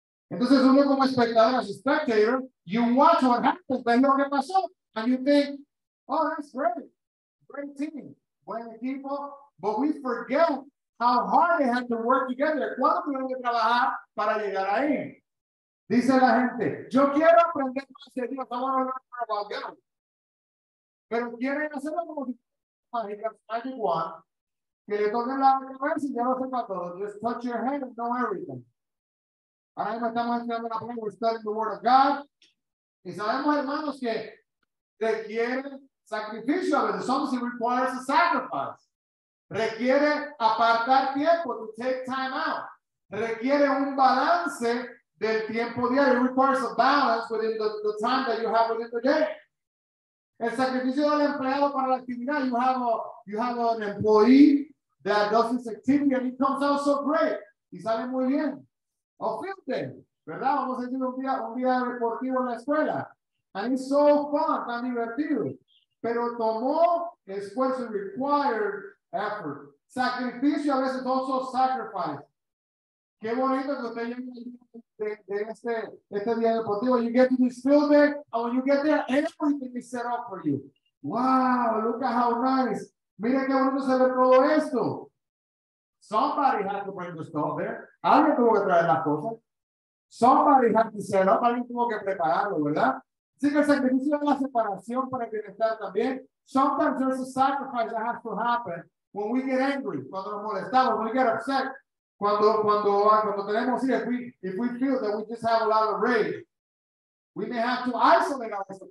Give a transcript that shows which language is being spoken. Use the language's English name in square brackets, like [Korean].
[Spanish] Entonces uno como espectador, [English] as a spectator, you watch what happens, [Spanish] ves lo que pasó, [English] and you think, oh, that's great, great team, [Spanish] buen equipo, [English] but we forget how hard they had to work together. [Spanish] ¿Cuánto tuvieron que trabajar para llegar ahí? Dice la gente, yo quiero aprender más de Dios, vamos a hablar más de Dios. Pero quieren hacerlo como si [English] magic one, [Spanish] que le toquen la cabeza y ya lo sepa todo. [English] Just touch your head and know everything. [Spanish] Ahora mismo estamos entrando en la prueba, [English] we're studying the word of God. [Spanish] Y sabemos, hermanos, que requiere sacrificio, a veces [English] something requires a sacrifice. [Spanish] Requiere apartar tiempo, [English] to take time out. [Spanish] Requiere un balance del tiempo diario. [English] It requires a balance within the time that you have within the day. [Spanish] El sacrificio del empleado para la actividad. [English] You have an employee that does his activity and he comes out so great. [Spanish] Y sale muy bien. O field day, ¿verdad? Vamos a decir un día deportivo en la escuela. [English] And it's so fun, [Spanish] tan divertido. Pero tomó esfuerzo, [English] required effort. [Spanish] Sacrificio, a veces, [English] also sacrifice. [Spanish] Qué bonito que usted llegue de este día deportivo. [English] You get to this field day, and when you get there, everything is set up for you. Wow, look at how nice. [Spanish] Mire qué bonito se ve todo esto. [English] Somebody had to bring the stuff there. [Spanish] Alguien tuvo que traer las cosas. [English] Somebody had to set up. [Spanish] Alguien tuvo que prepararlo, ¿verdad? Así que el sacrificio de la separación para el bienestar también. [English] Sometimes there's a sacrifice that has to happen when we get angry, [Spanish] cuando nos molestamos, [English] when we get upset, [Spanish] cuando tenemos, [English] if we feel that we just have a lot of rage, we may have to isolate ourselves.